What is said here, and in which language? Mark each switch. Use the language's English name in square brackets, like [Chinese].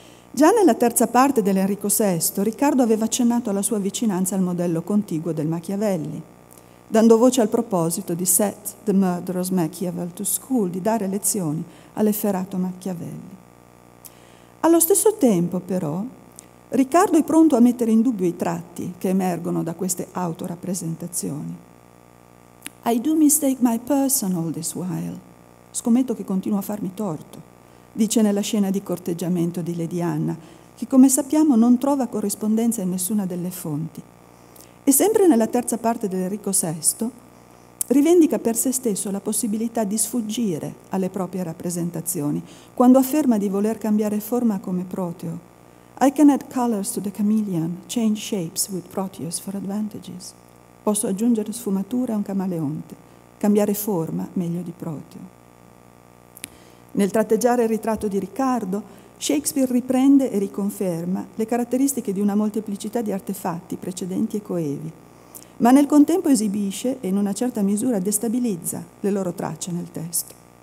[Italian] Già nella terza parte dell'Enrico VI, Riccardo aveva accennato alla sua vicinanza al modello contiguo del Machiavelli, dando voce al proposito di [English] Set the Murderous Machiavel to School, [Italian] di dare lezioni all'efferato Machiavelli. Allo stesso tempo, però, Riccardo è pronto a mettere in dubbio i tratti che emergono da queste autorappresentazioni. [English] I do mistake my person all this while. [Italian] Scommetto che continuo a farmi torto, dice nella scena di corteggiamento di Lady Anna, che come sappiamo non trova corrispondenza in nessuna delle fonti. E sempre nella terza parte dell'Enrico VI, rivendica per se stesso la possibilità di sfuggire alle proprie rappresentazioni quando afferma di voler cambiare forma come Proteo. [English] I can add colors to the chameleon, change shapes with Proteus for advantages. [Italian] Posso aggiungere sfumature a un camaleonte, cambiare forma meglio di Proteo. Nel tratteggiare il ritratto di Riccardo, Shakespeare riprende e riconferma le caratteristiche di una molteplicità di artefatti precedenti e coevi, ma nel contempo esibisce e in una certa misura destabilizza le loro tracce nel testo.